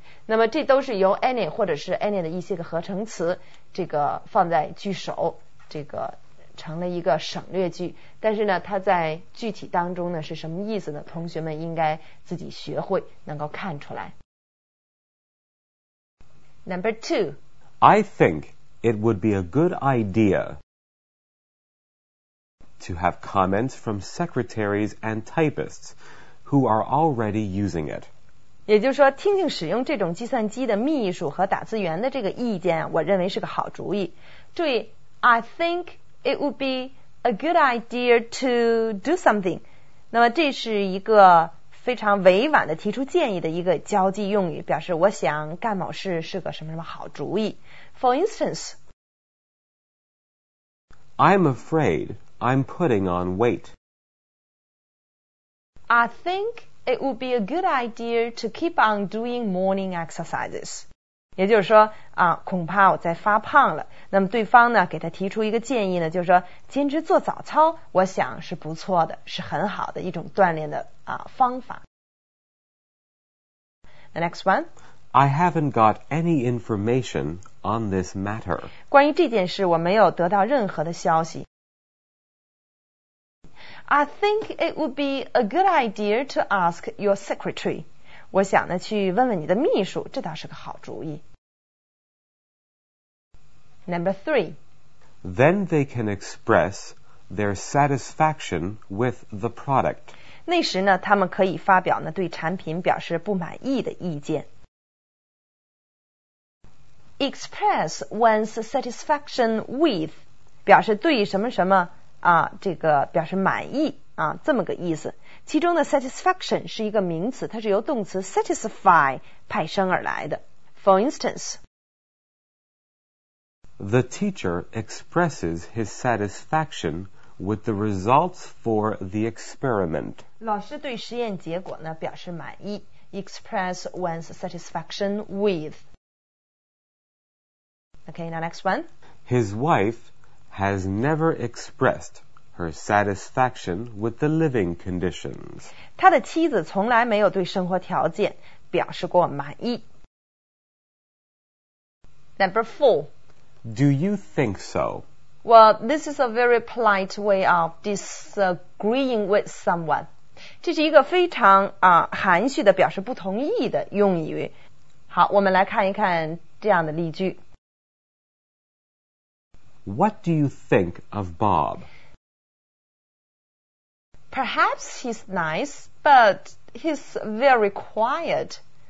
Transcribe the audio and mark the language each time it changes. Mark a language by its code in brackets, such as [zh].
[zh] 那么这都是由 any 或者是 any 的一些个合成词，这个放在句首，这个成了一个省略句。但是呢，它在具体当中呢是什么意思呢？同学们应该自己学会，能够看出来。 [en] Number two. I think... It would be a good idea to have comments from secretaries and typists who are already using it. [zh] 也就是说，听听使用这种计算机的秘书和打字员的这个意见，我认为是个好主意。注意 ， [en] I think it would be a good idea to do something. [zh] 那么这是一个非常委婉的提出建议的一个交际用语，表示我想干某事是个什么什么好主意。 [en] For instance, I'm afraid I'm putting on weight. I think it would be a good idea to keep on doing morning exercises. [zh] 也就是说啊，恐怕我在发胖了。那么对方呢，给他提出一个建议呢，就是说坚持做早操，我想是不错的，是很好的一种锻炼的啊方法。 [en] The next one, I haven't got any information on this matter. [zh] 关于这件事，我没有得到任何的消息。 [en] I think it would be a good idea to ask your secretary. [zh] 我想呢，去问问你的秘书，这倒是个好主意。 [en] Number three. Then they can express their satisfaction with the product. [zh] 那时呢，他们可以发表呢对产品表示不满意的意见。 [en] Express one's satisfaction with [zh] 表示对什么什么。啊，这个表示满意啊，这么个意思。其中的 satisfaction 是一个名词，它是由动词 satisfy 派生而来的。 [en] For instance, the teacher expresses his satisfaction with the results for the experiment. [zh] 老师对实验结果呢表示满意 ， [en] express one's satisfaction with. Okay, now next one. His wife. Has never expressed her satisfaction with the living conditions. [zh] 他的妻子从来没有对生活条件表示过满意。 [en] Number four. Do you think so? Well, this is a very polite way of disagreeing with someone. [zh] 这是一个非常含蓄的表示不同意的用语。好，我们来看一看这样的例句。 [en] What do you think of Bob? Perhaps he's nice, but he's very quiet.